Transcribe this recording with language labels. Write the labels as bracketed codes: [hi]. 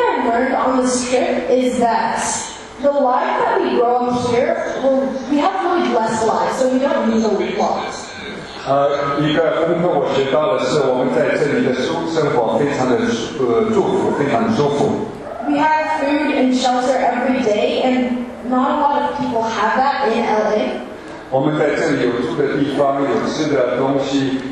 [en] On this trip is that the life that we grow up here, well, we have really blessed lives, so we don't need to leave lots. [zh] 一个功课我学到的是，我们在这里的生活非常的祝福，非常的舒服。 [en] We have food and shelter every day, and not a lot of people have that in LA. [zh] 我们在这里有住的地方，有吃的东西。